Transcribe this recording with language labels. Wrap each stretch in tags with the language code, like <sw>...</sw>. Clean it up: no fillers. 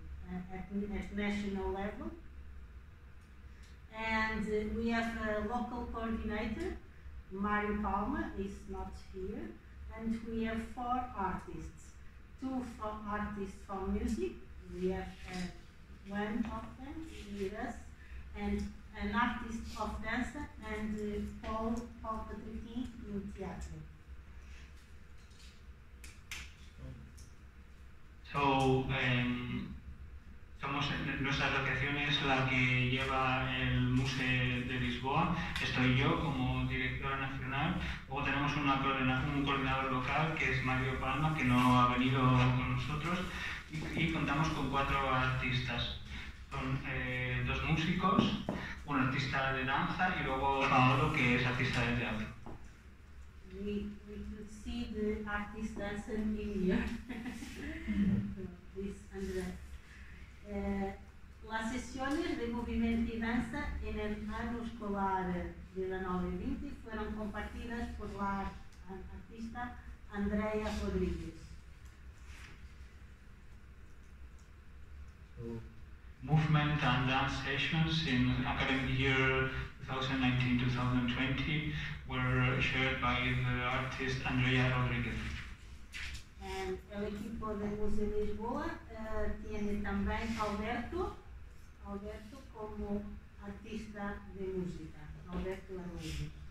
<en>at national level, and we have a local coordinator, Mario Palma, is not here, and we have four artists, two artists for music, we have one of them with us, and an artist of dance, and Paul Patrici in theatre.</en> <es>So, somos nuestra asociación es la que lleva el Muse de Lisboa. Estoy yo como directora nacional. Luego tenemos un coordinador local que es Mario Palma, que no ha venido con nosotros. Y contamos con cuatro artistas. Son dos músicos, un artista de danza y luego Paolo, que es artista de teatro.</es> <en>We could see the artist dancing in here.</en> <es>Las sesiones de movimiento y danza en el año escolar de la 9-20 fueron compartidas por la artista Andrea Rodríguez.</es> <en>Movement and dance sessions in academic year 2019-2020 were shared by the artist Andrea Rodríguez.</en> <es>El equipo de Museo de Lisboa tiene también Alberto como artista de música, Alberto Araújo.</es>